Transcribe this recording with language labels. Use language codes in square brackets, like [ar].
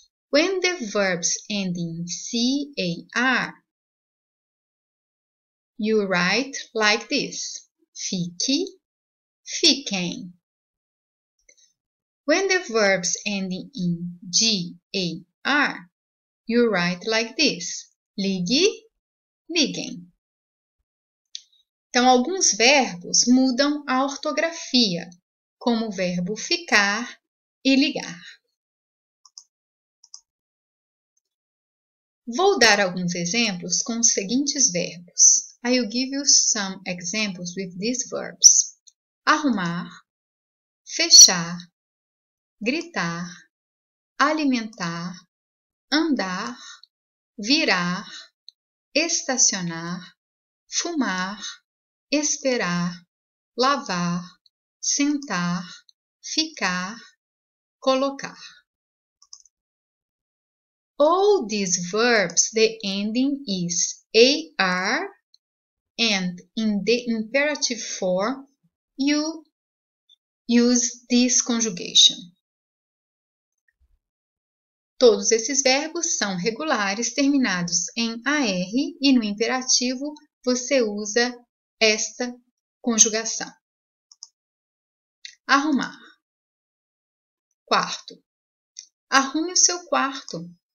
[en] When the verbs end in C-A-R, you write like this. [pt] Fique, fiquem. [en] When the verbs end in G-A-R, you write like this. [pt] Ligue, liguem. Então, alguns verbos mudam a ortografia, como o verbo ficar e ligar. Vou dar alguns exemplos com os seguintes verbos. [en] I will give you some examples with these verbs. [pt] Arrumar, fechar, gritar, alimentar, andar, virar, estacionar, fumar, esperar, lavar, sentar, ficar, colocar. [en] All these verbs, the ending is AR, and in the imperative form, you use this conjugation. [pt] Todos esses verbos são regulares, terminados em AR, e no imperativo, você usa esta conjugação. Arrumar. Quarto. Arrume o seu quarto.